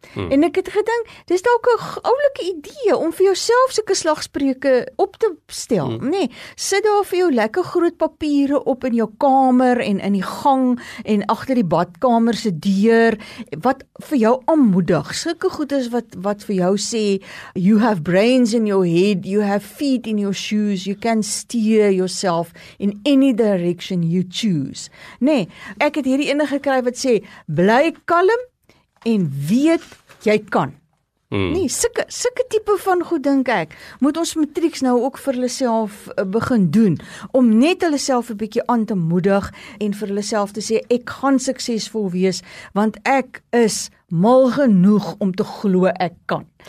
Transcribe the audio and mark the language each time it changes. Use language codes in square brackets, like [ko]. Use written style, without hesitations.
[af] En ek het gedink, dis dalk 'n oulike idee om vir jouself sulke slagspreuke op te stel, nê? Sit daar vir jou lekker groot papiere op in jou kamer en in die gang en agter die badkamer se deur wat vir jou aanmoedig. Sulke goed is wat vir jou sê, [en] you have brains in your head, you have feet in your shoes, you can steer yourself in any direction you choose. [af] Nee, ek het hierdie ene gekry wat sê, bly kalm en weet jy kan. Nee, sulke tipe van goed dink ek, moet ons matrieks nou ook vir hulle self begin doen, om net hulle self 'n bietjie aan te moedig en vir hulle self te sê, ek gaan suksesvol wees, want ek is mal genoeg om te glo ek kan.